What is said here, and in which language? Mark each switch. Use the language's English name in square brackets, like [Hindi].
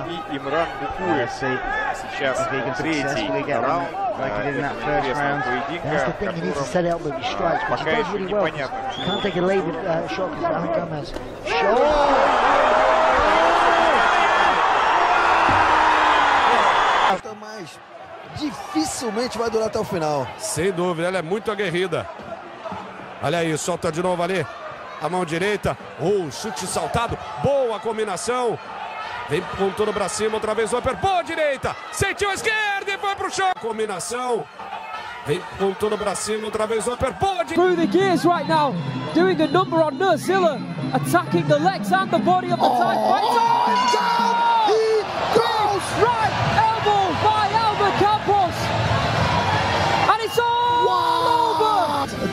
[Russian] Имран Букуев сейчас третий раунд этого интересного поединка, в котором пока еще непонятно. [Portuguese] Dificilmente vai durar até o final. Sem dúvida, ela é muito aguerrida. Olha aí, solta de novo ali a mão direita. Chute saltado, boa combinação. Vem com tudo pra cima, outra vez o upper. Boa direita, sentiu a esquerda e foi pro chão. Combinação, Vem com todo o bracinho, outra vez o upper body. [English] Through the gears right now, doing the number on Nurzilla, attacking the legs and the body of the Thai fighter. Oh, he's down! He goes! Right elbow by Alba Campos! And it's all over!